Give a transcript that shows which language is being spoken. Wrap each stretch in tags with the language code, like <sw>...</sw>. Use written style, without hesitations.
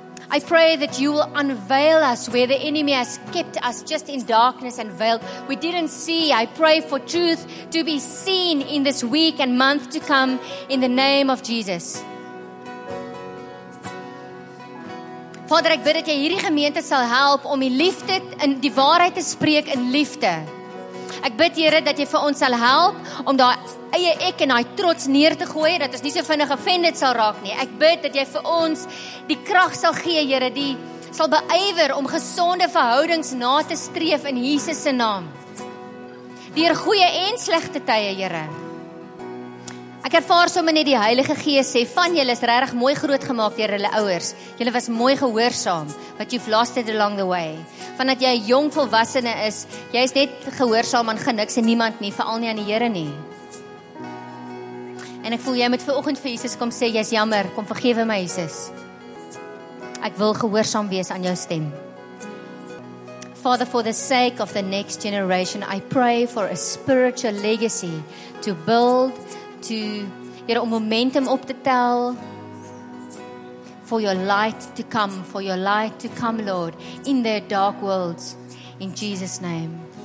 <en>I pray that you will unveil us where the enemy has kept us just in darkness and veiled. We didn't see. I pray for truth to be seen in this week and month to come in the name of Jesus.</en> <af>Vader, ek bid dat jy hierdie gemeente sal help om die liefde in die waarheid te spreek in liefde. Ek bid, Here, dat jy vir ons sal help om daai eie ek en daai trots neer te gooi, dat ons nie so vinnig offended sal raak nie. Ek bid dat jy vir ons die krag sal gee, Here, die sal beywer om gesonde verhoudings na te streef in Jesus se naam. Deur goeie en slegte tye, Here. Ek ervaar sommer net die Heilige Gees sê, van julle is regtig mooi groot gemaak deur hulle ouers. Julle was mooi gehoorsaam,</af> <en>but you've lost it along the way.</en> <af>Vandat jy 'n jong volwassene is, jy is net gehoorsaam aan geniks en niemand nie, veral nie aan die Here nie. En ek voel jy moet vanoggend vir Jesus kom sê, jy's jammer, kom vergewe my Jesus. Ek wil gehoorsaam wees aan jou stem.</af> <en>Father, for the sake of the next generation, I pray for a spiritual legacy to build, to,</en> <af>Here, om momentum op te tel,</af> <en>for your light to come, for your light to come, Lord, in their dark worlds, in Jesus' name.</en>